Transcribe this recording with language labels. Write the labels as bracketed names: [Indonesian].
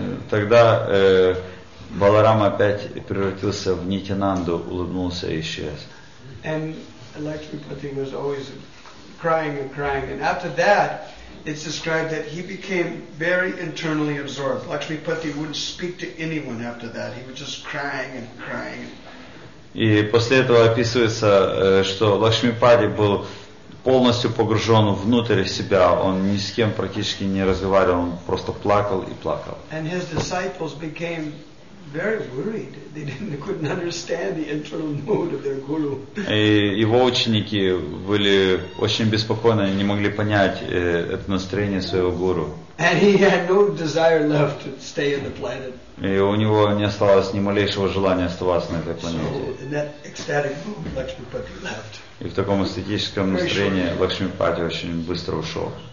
[Russian] Тогда Баларам опять превратился в Нитянанду, улыбнулся и исчез. [English] And Lakshmipati was always crying and crying. And after that, it's described that he became very internally absorbed. Lakshmipati wouldn't speak to anyone after that. He was just crying and crying. [Russian] И после этого описывается, что Лакшмипати был полностью погружен внутрь себя. Он ни с кем практически не разговаривал. Он просто плакал и плакал. [English] And his disciples became very worried. They couldn't understand the internal mood of their guru. [Russian] И его ученики были очень беспокойны, не могли понять это настроение своего гуру. [English] And he had no desire left to stay on the planet. [Russian] И у него не осталось ни малейшего желания оставаться на этой планете. [English] So in that ecstatic mood, Lakshmipati left. [Russian] И в таком эстетическом настроении Лакшмипати очень быстро ушел.